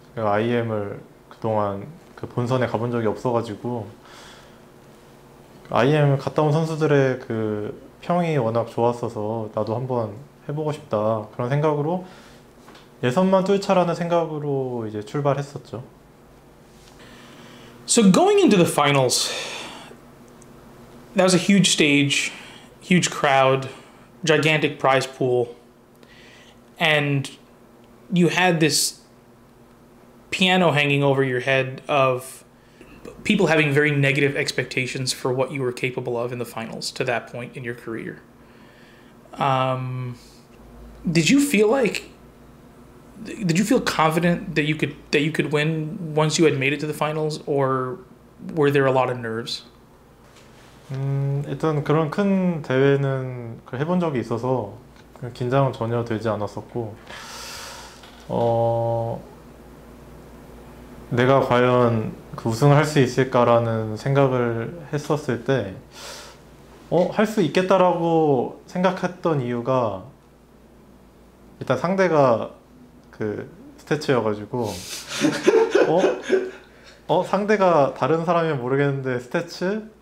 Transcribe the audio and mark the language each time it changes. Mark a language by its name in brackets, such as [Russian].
[Korean] IEM을 그동안 그 본선에 가본 적이 없어가지고 IEM 갔다 온 선수들의 그 평이 워낙 좋았어서 나도 한번 해보고 싶다. 그런 생각으로 예선만 뚫자라는 생각으로 이제 출발했었죠. [English] So going into the finals, that was a huge stage, huge crowd, gigantic prize pool. And you had this piano hanging over your head of people having very negative expectations for what you were capable of in the finals to that point in your career. Did you feel confident that you could win once you had made it to the finals, or were there a lot of nerves? [Korean] 일단 그런 큰 대회는 해본 적이 있어서 긴장은 전혀 되지 않았었고, 내가 과연 그 우승을 할 수 있을까라는 생각을 했었을 때, 할 수 있겠다라고 생각했던 이유가 일단 상대가 그 스태츠여가지고, 상대가 다른 사람이면 모르겠는데 스태츠?